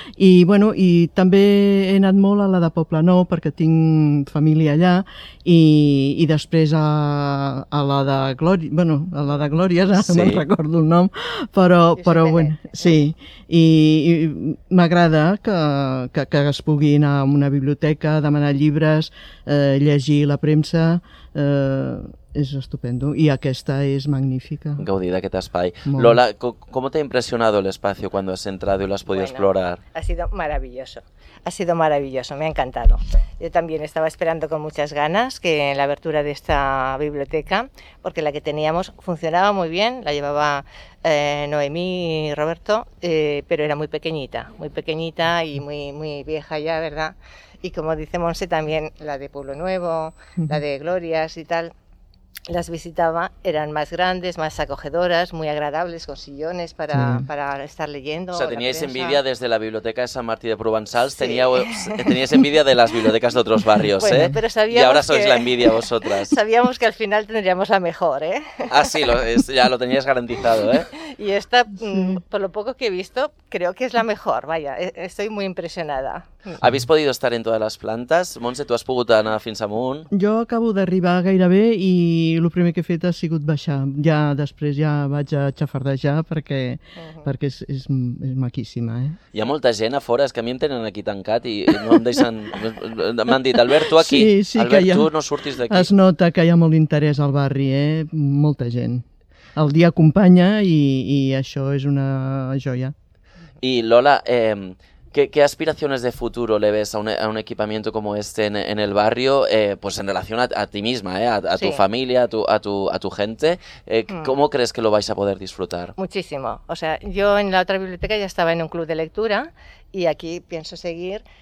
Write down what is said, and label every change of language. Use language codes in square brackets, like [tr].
[ca] I, bueno, i també he anat molt a la de Poblenou perquè tinc família allà i després a la de Glòries, bueno, a la de Glòries, ara, sí, me'n recordo el nom, però bueno, sí, i m'agrada que es pugui anar a una biblioteca, demanar llibres, llegir la premsa, és estupendo, i aquesta és magnífica. Gaudir d'aquest espai. Molt. [es] Lola, ¿com te ha impresionado el espacio cuando has entrado y lo has podido, bueno, explorar? Ha sido maravilloso. Ha sido maravilloso, me ha encantado. Yo también estaba esperando con muchas ganas que la apertura de esta biblioteca, porque la que teníamos funcionaba muy bien, la llevaba Noemí y Roberto, pero era muy pequeñita y muy, muy vieja ya, ¿verdad? Y como dice Monse, también la de Pueblo Nuevo, la de Glòries y tal, las visitaba, eran más grandes, más acogedoras, muy agradables, con sillones para, sí, para estar leyendo. O sea, teníais envidia desde la biblioteca de San Martín de Provençals, sí, teníais envidia de las bibliotecas de otros barrios, bueno, ¿eh? Pero sabíamos, y ahora sois que... la envidia vosotras. Sabíamos que al final tendríamos la mejor, ¿eh? Ah, sí, ya lo teníais garantizado, ¿eh? Y esta, por lo poco que he visto, creo que es la mejor, vaya, estoy muy impresionada. ¿Habéis podido estar en todas las plantas? [ca] Montse, tú has pogut anar fins amunt. Jo acabo d'arribar gairebé i el primer que he fet ha sigut baixar. Ja després ja vaig a xafardejar perquè, perquè és maquíssima, eh? Hi ha molta gent a fora, és que a mi em tenen aquí tancat i no em deixen... M'han dit, Albert, tu aquí. Sí, sí, Albert, que hi ha... tu no surtis d'aquí. Es nota que hi ha molt interès al barri, eh? Molta gent. El dia acompanya i això és una joia. I Lola... [es] ¿Qué aspiraciones de futuro le ves a un equipamiento como este en el barrio, pues en relación a ti misma, a tu, sí, familia, a tu gente? ¿Cómo crees que lo vais a poder disfrutar? Muchísimo. O sea, yo en la otra biblioteca ya estaba en un club de lectura y aquí pienso seguir.